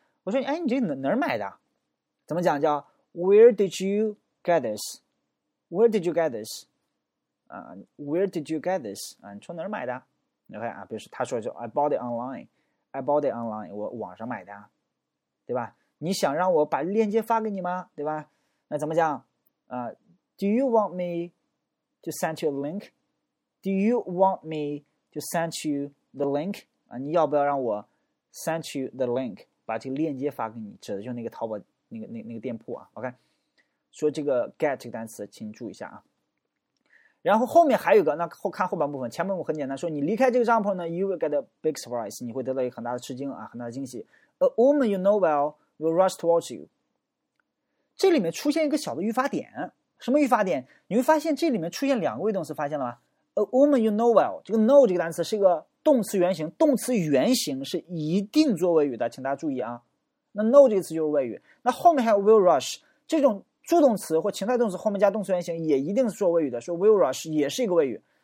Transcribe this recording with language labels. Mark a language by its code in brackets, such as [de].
[zh] 我说，哎，你这哪儿买的？怎么讲？叫 [en] Where did you get this？ [zh] Where did you get this？啊 ， [en] Where did you get this？ [zh] 啊，你从哪儿买的 ？OK 啊，比如说他说就 [en] I bought it online， [zh] I bought it online， 我网上买的，对吧？你想让我把链接发给你吗？对吧？那怎么讲？ [en] Do you want me to send you a link? Do you want me to send you the link? [zh] 啊，你要不要让我 [en] send you the link? [zh] 把这个链接发给你，指的就是那个淘宝那个店铺啊。 OK， 说这个 get 这个单词，请注意一下啊。然后后面还有一个，那后看后半部分，前面我很简单说，你离开这个帐篷呢 ， [en] you will get a big surprise， [zh] 你会得到一个很大的吃惊啊，很大的惊喜。 [en] A woman you know well will rush towards you。 [zh] 这里面出现一个小的语法点，什么语法点？你会发现这里面出现两个谓动词，发现了吗 ？ [en] A woman you know well， [zh] 这个 know 这个单词是一个动词原形，动词原形是一定做谓语的，请大家注意啊。那 know 这个词就是谓语，那后面还有 will rush， 这种助动词或情态动词后面加动词原形也一定是做谓语的，说 will rush 也是一个谓语。